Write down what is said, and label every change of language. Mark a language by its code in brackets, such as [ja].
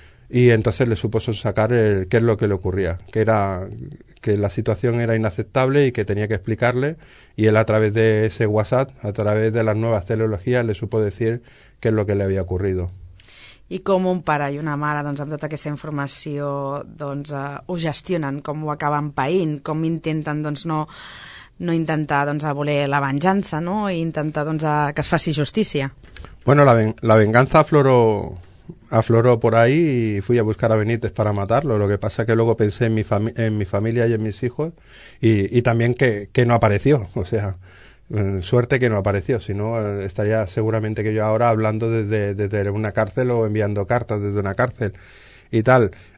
[es] Y entonces le supuso sacar qué es lo que le ocurría, que la situación era inaceptable y que tenía que explicarle. Y él, a través de ese WhatsApp, a través de las nuevas tecnologías, le supo decir qué es lo que le había ocurrido. [ca] I com un pare i una mare, doncs, amb tota aquesta informació, doncs, ho gestionen, com ho acaben païnt, com intenten, doncs, no intentar, doncs, a voler la venjança, no?, i intentar, doncs, que es faci justícia. [es] Bueno, la venganza afloró por ahí y fui a buscar a Benítez para matarlo. Lo que pasa que luego pensé en mi familia y en mis hijos y también que no apareció. O sea, suerte que no apareció, si no estaría seguramente que yo ahora hablando desde una cárcel o enviando cartas desde una cárcel y tal.